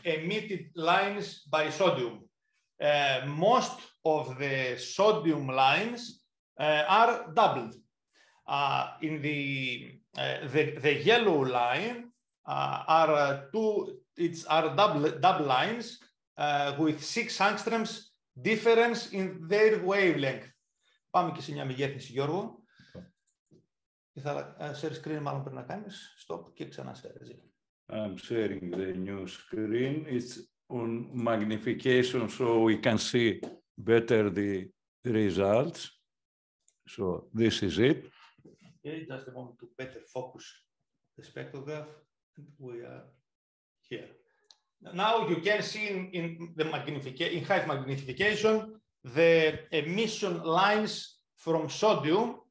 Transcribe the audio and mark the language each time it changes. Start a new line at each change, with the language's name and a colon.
English: emitted lines by sodium. Most of the sodium lines are doubled. In the yellow line are double lines with 6 angstroms difference in their wavelength.
Greek: Πάμε και σε μια μεγέθυνση, Γιώργο. Και θα share screen μάλλον πριν να κάνεις. Stop και ξανά share.
English: I'm sharing the new screen. It's on magnification so we can see better the results. So this is it. Okay, just a moment to better focus the spectrograph. We are here. Now you can see in high magnification the emission lines from sodium.